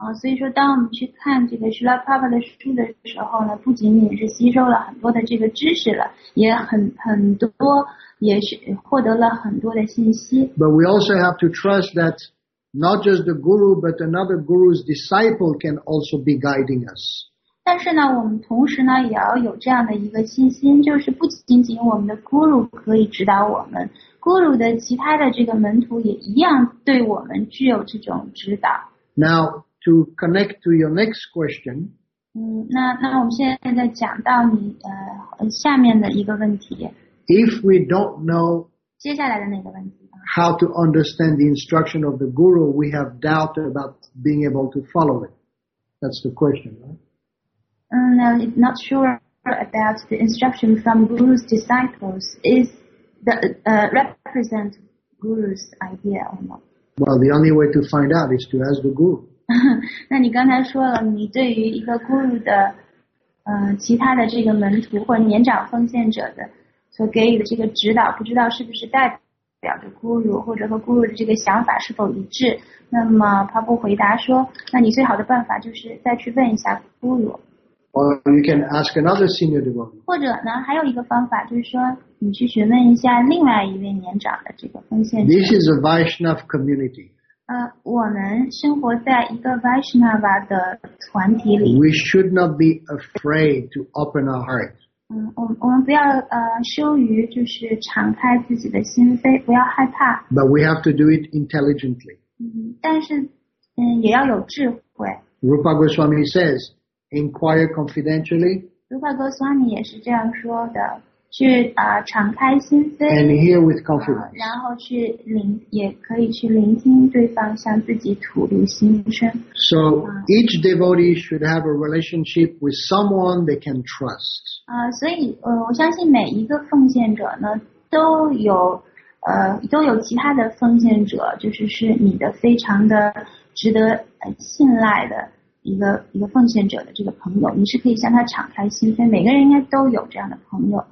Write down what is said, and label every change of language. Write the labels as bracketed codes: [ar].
[zh] 所以说当我们去看这个 Srila Prabhupada 的书的时候呢，不仅仅是吸收了很多的这个知识了，也很多，也是获得了很多的信息。 [en] But we also have to trust that not just the guru, but another guru's disciple can also be guiding us. [zh] 但是呢，我们同时呢，也要有这样的一个信心，就是不仅仅我们的 guru 可以指导我们， guru 的其他的这个门徒也一样对我们具有这种指导。 [en] Now, to connect to your next question, [zh] 那我们现在在讲到你下面的一个问题。 [en] If we don't know, [zh] 接下来的那个问题。 [en] How to understand the instruction of the guru, we have doubt about being able to follow it. That's the question, right? No, not sure about the instruction from guru's disciples. Is the, represent guru's idea or not? Well, the only way to find out is to ask the guru. [zh] 那你刚才说了你对于一个 guru 的其他的这个门徒或者年长奉献者的所给予的这个指导不知道是不是代表表的 guru 或者和 guru 的这个想法是否一致？那么帕布回答说：“那你最好的办法就是再去问一下 guru。” [en] Or you can ask another senior devotee. [zh] 或者呢，还有一个方法就是说，你去询问一下另外一位年长的这个奉献者。 [en] This is a Vaishnava community. [zh] 我们生活在一个 Vaishnava 的团体里。 [en] We should not be afraid to open our hearts. [zh] 我们不要羞于就是敞开自己的心扉，不要害怕。 [en] But we have to do it intelligently. [zh] 但是也要有智慧。 [en] Rupa Goswami says, inquire confidentially. [zh] Rupa Goswami 也是这样说的，去敞开心扉。 [en] And hear with confidence. [zh] 然后去也可以去聆听对方向自己吐露心声。 [en] So each devotee should have a relationship with someone they can trust. [zh] 所以我相信每一个奉献者呢都有其他的奉献者就是你的非常的值得信赖的一个奉献者的这个朋友你是可以向他敞开心扉每个人应该都有这样的朋友。